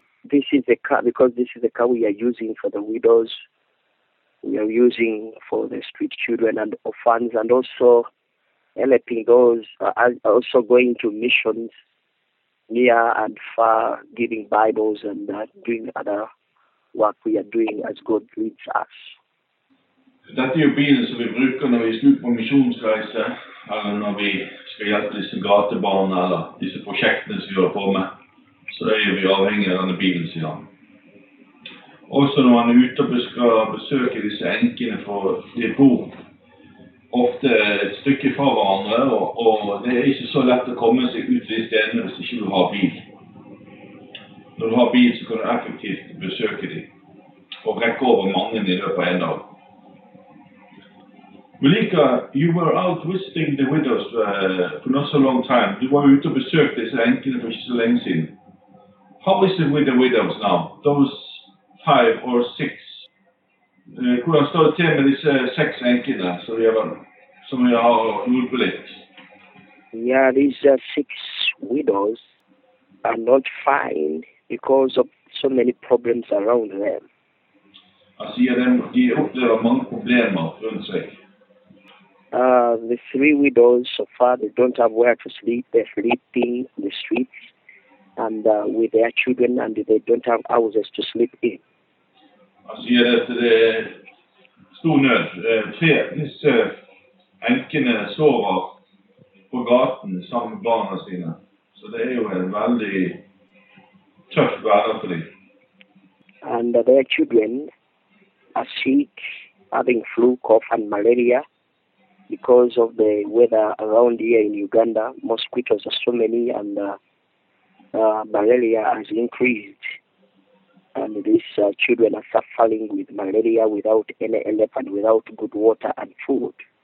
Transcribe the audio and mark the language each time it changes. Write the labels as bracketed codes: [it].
[en] This is the car, because this is the car we are using for the widows, we are using for the street children and orphans, and also helping those are also going to missions near and far, giving Bibles and doing other work we are doing as God leads us. [no] Dette er jo bilen som vi bruker når vi slutter på misjonsreise, eller når vi skal hjelpe disse gatebarna, eller disse prosjektene som vi holder på med. Så det er vi avhengig av denne bilen, sier han. Også når man er ute og skal besøke disse enkene, for de bor ofte et stykke fra hverandre, og det er ikke så lett å komme seg ut til de stedene hvis ikke du har bil. Når du har bil, så kan du effektivt besøke dem, og rekke over mange i løpet av en dag. [en] Malika, you were out visiting the widows for not so long time. [no] Du var ute og besøkte disse enkene for ikke så lenge siden. [en] How is it with the widows now? Those 5 or 6. [no] Hvordan står det til med disse 6 enkene som vi har hjulpet litt? Ja, disse [en] 6 widows are not fine because of so many problems around them. [no] Altså, de opplever mange problemer rundt seg. [en] The 3 widows so far, they don't have where to sleep. They're sleeping in the streets and with their children, and they don't have houses to sleep in. [no] Han sier at det er stor nød. Disse enkene sover på gaten sammen med barna sine. Så det er jo en veldig tøff hverdag for dem. [en] And their children are sick, having flu, cough and malaria. Because of the weather around here in Uganda, mosquitoes are so many, and malaria has increased. And these children are suffering with malaria without any help and without good water and food.